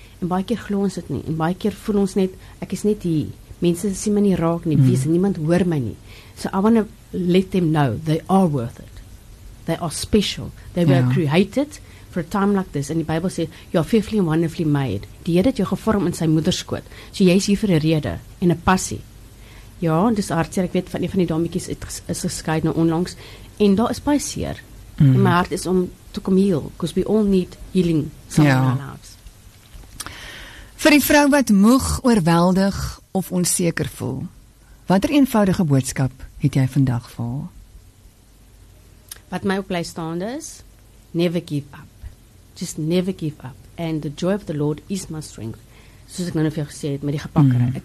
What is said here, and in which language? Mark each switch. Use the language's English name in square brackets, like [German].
[Afrikaans] En baie keer glo ons dit nie, en baie keer voel ons net, ek is net hier. Mense sien my nie [English] raak nie, wees, niemand hoor my nie. So I want to let them know they are worth it. They are special. They were created for a time like this. And the Bible says, you are fearfully and wonderfully made. [Afrikaans] Die Heer het jou gevorm in sy moederskoot. So jy is hier vir 'n rede en 'n passie. Ja, dis hartseer. Ek weet van een van die dametjies is geskei nou onlangs. En daar is baie seer. En my hart is om te kom heal. [English] Because we all need healing somewhere in our lives. [Afrikaans] Vir die vrou wat moeg, oorweldig of onseker voel, watter eenvoudige boodskap het jy vandag vir? Wat my ook bly staande is, [English] never give up. Just never give up. And the joy of the Lord is my strength. [Afrikaans] Soos ek nou vir jou gesê het, met die gepakkere.